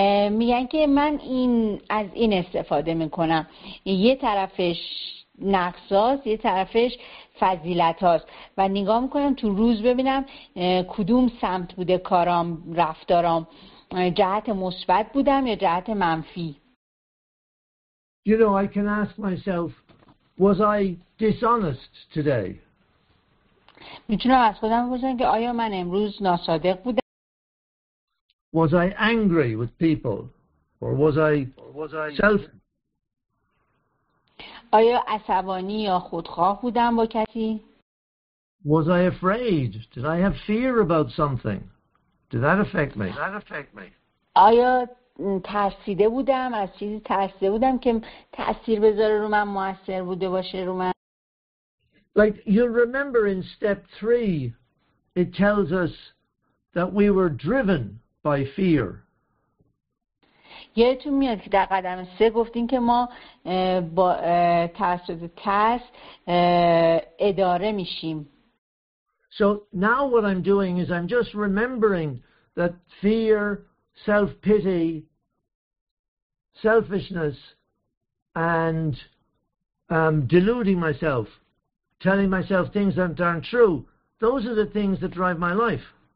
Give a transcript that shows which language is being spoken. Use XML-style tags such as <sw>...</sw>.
<fa>میگن که من این از این استفاده میکنم. یه طرفش نقصاست، یه طرفش فضیلت هاست و نگاه میکنم تو روز ببینم کدوم سمت بوده کارام، رفتارام، جهت مثبت بودم یا جهت منفی.</fa> <en>You know, I can ask myself, was I dishonest today?</en> <fa>میتونم از خودم بپرسم که آیا من امروز ناصادق بودم؟</fa> <en>Was I angry with people, or was I self?</en> <fa>آیا عصبانی یا خودخواه بودم با کسی؟</fa> <en>Was I afraid? Did I have fear about something? Did that affect me?</en> <fa>آیا ترسیده بودم از چیزی؟ ترسیده بودم که تأثیر بذاره رو من، موثر بوده باشه رو من؟</fa> <en>Like you remember in step 3, it tells us that we were driven by fear.</en> <fa>یادتون میاد که در قدم 3 گفتین که ما با ترس اداره میشیم.</fa> <en>So now what I'm doing is I'm just remembering that fear, self-pity, selfishness, and deluding myself, telling myself things that aren't true, those are the things that drive my life.</en>